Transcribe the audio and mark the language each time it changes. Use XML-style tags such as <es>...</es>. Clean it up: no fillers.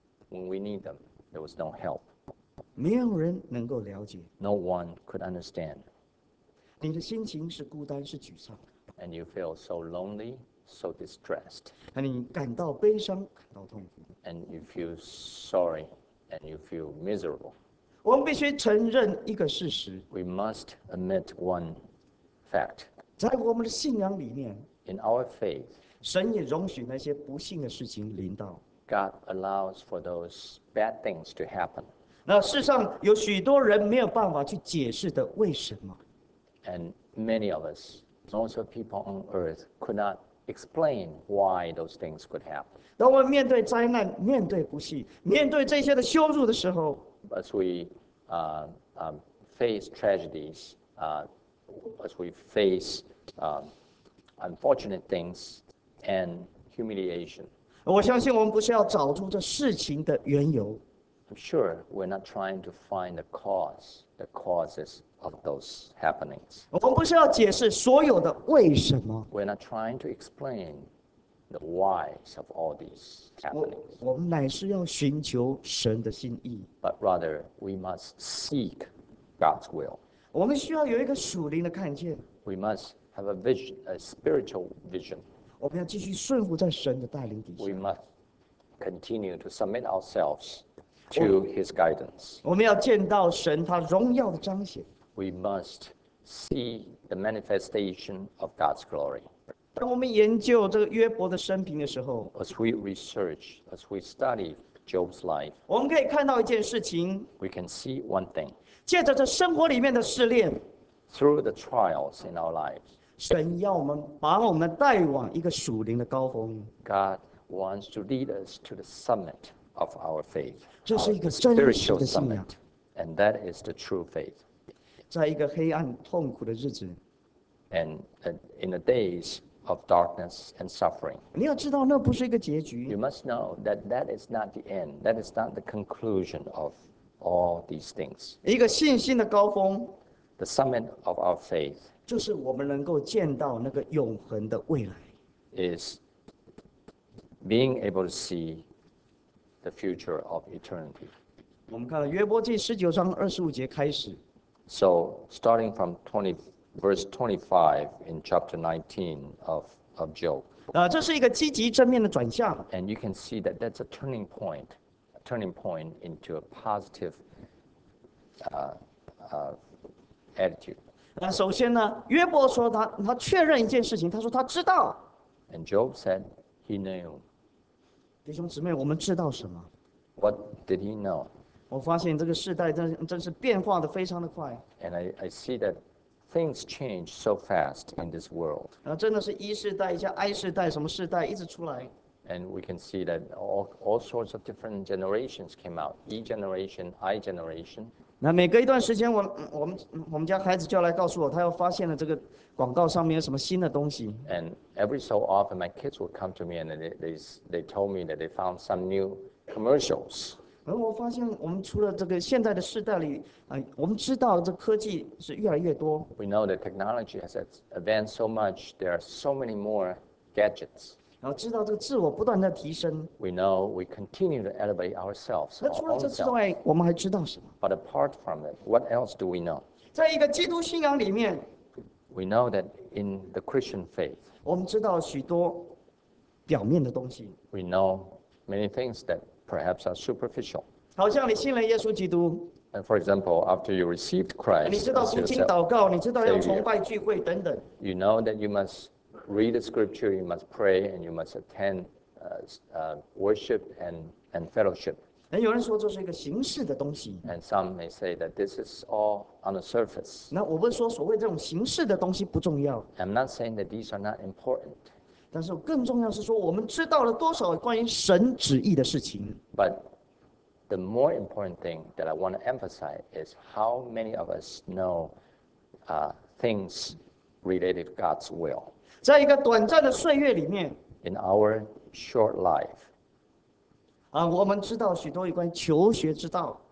<en>When we need them, there was no help.</en> <zh>没有人能够了解。</zh> <en>No one could understand.</en> <zh>你的心情是孤单，是沮丧。</zh> <en>And you feel so lonely, so distressed.</en> <zh>你感到悲伤，感到痛苦。</zh> <en>And you feel sorry, and you feel miserable.</en> <zh>我们必须承认一个事实。</zh> <en>We must admit one fact.</en> <zh>在我们的信仰里面</zh> <en>，In our faith,</en> <zh>神也容许那些不幸的事情临到。</zh> <en>God allows for those bad things to happen.</en> <zh>那世上有许多人没有办法去解释的，为什么</zh> <en>？And many of us, most of people on earth, could not explain why those things could happen.</en> <zh>当我们面对灾难、面对不幸、面对这些的羞辱的时候。</zh> <en>As we face tragedies, as we face unfortunate things and humiliation,</en> <zh>我相信我们不是要找出这事情的缘由。</zh> <en>I'm sure we're not trying to find the cause, the causes of those happenings.</en> <zh>我们不是要解释所有的为什么。</zh> <en>We're not trying to explain the whys of all these.</en> <zh>我们乃是要寻求神的心意。</zh> <en>But rather, we must seek God's will.</en> <zh>我们需要有一个属灵的看见。</zh> <en>We must have a vision, a spiritual vision.</en> <zh>我们要继续顺服在神的带领底下。</zh> <en>We must continue to submit ourselves to His guidance.</en> <zh>我们要见到神他荣耀的彰显。</zh> <en>We must see the manifestation of God's glory.</en> <zh>当我们研究这个约伯的生平的时候</zh> <en>，As we research, as we study Job's life,</en> <zh>我们可以看到一件事情。</zh> <en>We can see one thing.</en> <zh>借着这生活里面的试炼</zh> <en>，Through the trials in our lives,</en> <zh>神要我们把我们带往一个属灵的高峰。</zh> <en>God wants to lead us to the summit of our faith.</en> <zh>这是一个真实的信仰</zh> <en>summit, ，And that is the true faith.</en> <zh>在一个黑暗痛苦的日子</zh> <en>，And in the days. Of darkness and suffering.</en> <zh>你要知道那不是一个结局。</zh> <en>You must know that that is not the end. That is not the conclusion of all these things.</en> <zh>一个信心的高峰。</zh> <en>The summit of our faith.</en> <zh>就是我们能够见到那个永恒的未来。</zh> <en>Is being able to see the future of eternity.</en> <zh>我们看到约伯记十九章二十五节开始。</zh> <en>So starting from verse 25 in chapter 19 of Job.</en> <zh>这是一个积极正面的转向。</zh> <en>And you can see that that's a turning point into a positive attitude.</en> <zh>首先呢，约伯说他确认一件事情，他说他知道。</zh> <en>And Job said he knew.</en> <zh>弟兄姊妹，我们知道什么</zh> <en>？What did he know?</en> <zh>我发现这个世代真是变化的非常的快。</zh> <en>And I see that. Things change so fast in this world.</en> <zh>真的是一世代，一下 I 世代，什么世代一直出来。</zh> <en>And we can see that all sorts of different generations came out. E generation, I generation.</en> <zh>那每隔一段时间，我们家孩子就要来告诉我，他又发现了这个广告上面有什么新的东西。</zh> <en>And every so often, my kids would come to me and they told me that they found some new commercials.</en> <zh>而我发现，我们除了这个现在的世代里，我们知道这科技是越来越多。</zh> <en>We know that technology has advanced so much. There are so many more gadgets.</en> <zh>然后知道这个自我不断的提升。</zh> <en>We know we continue to elevate ourselves.</en> <zh>那除了这之外，我们还知道什么</zh> <en>？But apart from it, what else do we know?</en> <zh>在一个基督信仰里面</zh> <en>，We know that in the Christian faith.</en> <zh>我们知道许多表面的东西。</zh> <en>We know many things that. Perhaps are superficial.</en> <zh>好像你信了耶稣基督。</zh> <en>And for example, after you received Christ,</en> <zh>你知道读经祷告，你知道要崇拜聚会等等。</zh> <en>You know that you must read the scripture, you must pray, and you must attend worship and fellowship.</en> <zh>有人说这是一个形式的东西。</zh> <en>And some may say that this is all on the surface.</en> <zh>那我不是说所谓这种形式的东西不重要。</zh> <en>I'm not saying that these are not important.</en> <zh>但是更重要是说，我们知道了多少关于神旨意的事情。</zh> <en>But the more important thing that I want to emphasize is how many of us know, things related to God's will.</en> <zh>在一个短暂的岁月里面。</zh> <en>In our short life.</en> <zh>啊，我们知道许多有关求学之道。</zh>